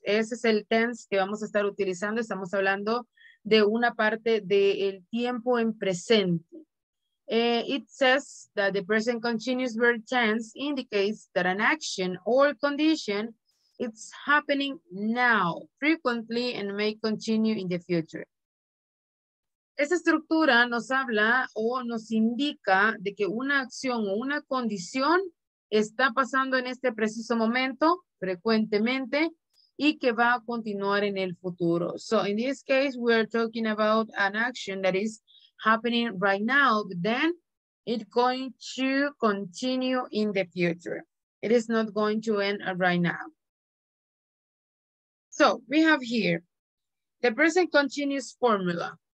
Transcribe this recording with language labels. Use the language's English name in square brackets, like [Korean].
[Spanish] Ese es el tense que vamos a estar utilizando. Estamos hablando de una parte del tiempo en presente. [English] It says that the present continuous verb tense indicates that an action or condition is happening now, frequently, and may continue in the future. [Spanish] Esa estructura nos habla o nos indica de que una acción o una condición está pasando en este preciso momento frecuentemente y que va a continuar en el futuro. [English] So in this case, we are talking about an action that is happening right now, but then it's going to continue in the future. It is not going to end right now. So we have here, The present continuous formula.